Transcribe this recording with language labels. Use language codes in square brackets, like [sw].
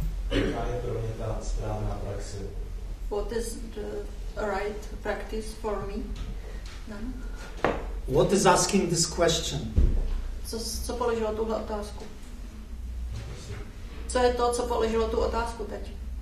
[cs] Jaká je pro mě ta správná praxe? [en] What is the right practice for me? [cs] No? [en] What is asking this question? [cs] Co položilo tuhle otázku? Co je to, co položilo tu otázku teď?